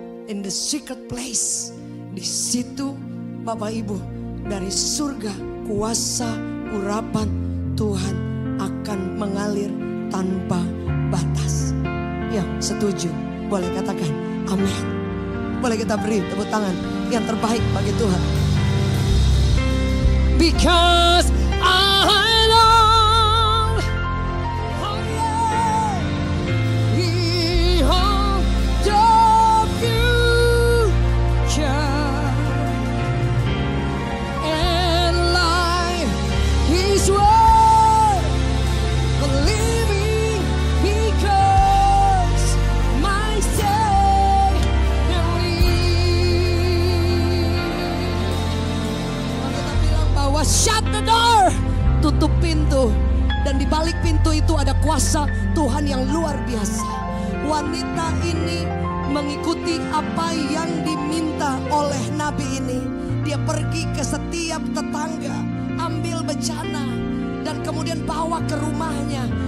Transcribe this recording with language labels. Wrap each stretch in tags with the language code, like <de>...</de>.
<en>In the secret place,</en> <id>di situ Bapak Ibu, dari surga kuasa urapan Tuhan akan mengalir tanpa batas. Yang setuju boleh katakan amin. Boleh kita beri tepuk tangan yang terbaik bagi Tuhan.</id> <en>Because I long, oh yeah, behold your future, and life is worth believing, because my Savior lives.</en> <id>Kita bilang bahwa</id> <en>shut the door,</en> <id>tutup pintu, dan di balik pintu itu ada kuasa Tuhan yang luar biasa. Wanita ini mengikuti apa yang diminta oleh nabi ini. Dia pergi ke setiap tetangga, ambil bejana, dan kemudian bawa ke rumahnya.</id>